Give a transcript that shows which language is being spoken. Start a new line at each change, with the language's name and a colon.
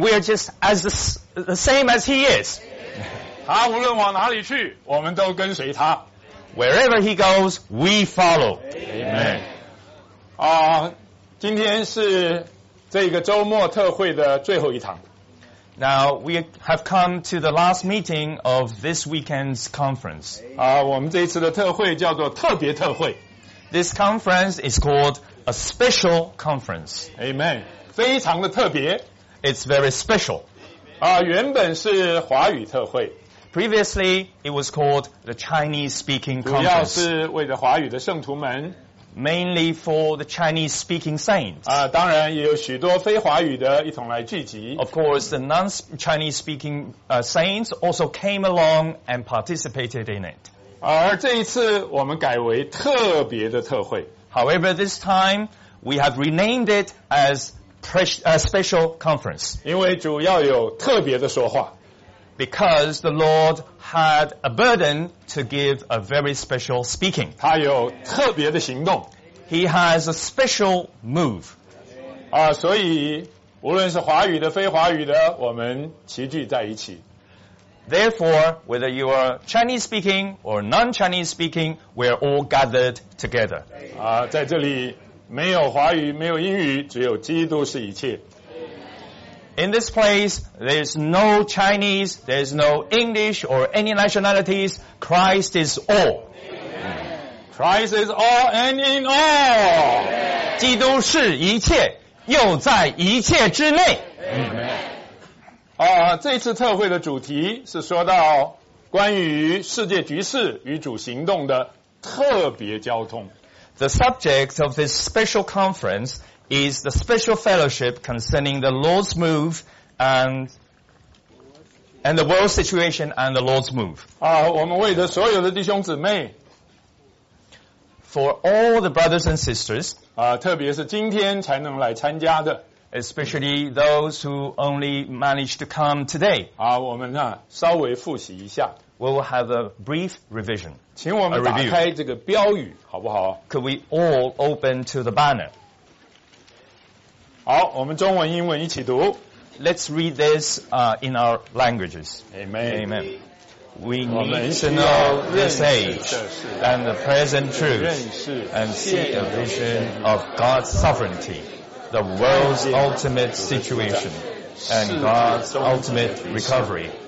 English: We are just as the same as He is.
Chinese: 他无论往哪里去，我们都跟随他。
English: Wherever He goes, we follow. Amen.
Chinese: 今天是这个周末特会的最后一堂。
English: Now we have come to the last meeting of this weekend's conference.
Chinese: 我们这一次的特会叫做特别特会。
English: This conference is called a special conference.
Chinese: Amen. 非常的特别。
English: It's very special.
Chinese: 原本是华语特会。
English: Previously, it was called the Chinese-speaking conference.
Chinese: 主要是为了华语的圣徒们。
English: Mainly for the Chinese-speaking saints.
Chinese: 当然也有许多非华语的一同来聚集。
English: Of course, the non-Chinese-speaking saints also came along and participated in it.
Chinese: 而这一次我们改为特别的特会。
English: However, this time, we have renamed it as special conference.
Chinese: 因为主要有特别的说话。
English: Because the Lord had a burden to give a very special speaking.
Chinese: 他有特别的行动。
English: He has a special move.
Chinese: 所以无论是华语的非华语的我们齐聚在一起。
English: Therefore, whether you are Chinese speaking or non-Chinese speaking, we are all gathered together.
Chinese: 在这里没有华语，没有英语，只有基督是一切。
English: In this place, there is no Chinese, there is no English or any nationalities. Christ is all. Christ is all and in all.
Chinese: 基督是一切，又在一切之内。这次特会的主题是说到关于世界局势与主行动的特别交通。
English: The subject of this special conference is the special fellowship concerning the Lord's move and the world situation and the Lord's move.
Chinese: 我们为着所有的弟兄姊妹。
English: For all the brothers and sisters.
Chinese: 特别是今天才能来参加的。
English: Especially those who only managed to come today.
Chinese: 我们呢稍微复习一下。
English: We will have a brief revision.
Chinese: 请我们打开这个标语好不好
English: Could we all open to the banner?
Chinese: 好我们中文英文一起读
English: Let's read this in our languages. Amen. Amen. We need to know this age and the present truth and see a vision of God's sovereignty, the world's ultimate situation and God's ultimate recovery.